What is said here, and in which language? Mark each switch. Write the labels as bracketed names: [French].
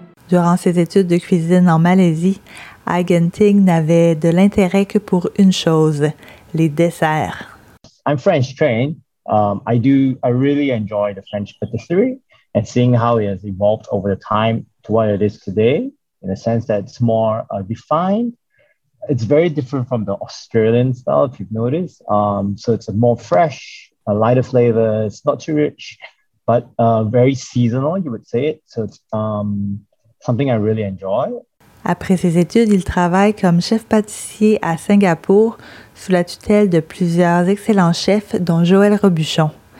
[French] Durant ses études de cuisine en Malaisie, Agenting n'avait de l'intérêt que pour une chose, les desserts. [English] I'm French trained. I really enjoy the French pâtisserie and seeing how it has evolved over the time to what it is today, in the sense that it's more defined. It's very different from the Australian style, if you've noticed. So it's a more fresh, a lighter flavor. It's not too rich, but very seasonal, you would say it. So it's something I really enjoy. [French] Après ses études, il travaille comme chef pâtissier à Singapour sous la tutelle de plusieurs excellents chefs, dont Joël Robuchon.